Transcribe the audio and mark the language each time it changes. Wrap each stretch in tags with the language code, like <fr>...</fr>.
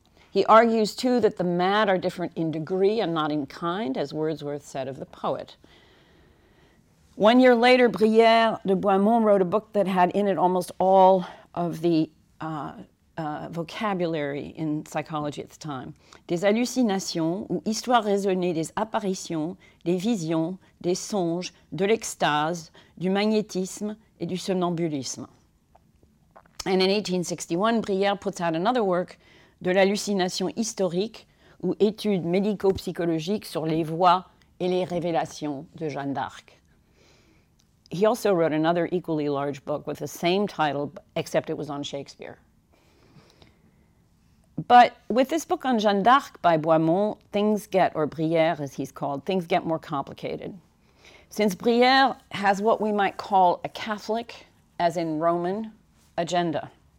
<en>He argues, too, that the mad are different in degree and not in kind, as Wordsworth said of the poet. 1 year later, Brière de Boismont wrote a book that had in it almost all of the vocabulary in psychology at the time.</en> <fr>Des hallucinations ou histoires raisonnées des apparitions, des visions, des songes, de l'extase, du magnétisme et du somnambulisme.</fr> <en>And in 1861, Brière puts out another work,</en> <fr>de l'hallucination historique ou études médico-psychologiques sur les voies et les révélations de Jeanne d'Arc.</fr> <en>He also wrote another equally large book with the same title, except it was on Shakespeare. But with this book on Jeanne d'Arc by Boismont, things get, or Brière as he's called, things get more complicated. Since Brière has what we might call a Catholic, as in Roman, agenda.</en>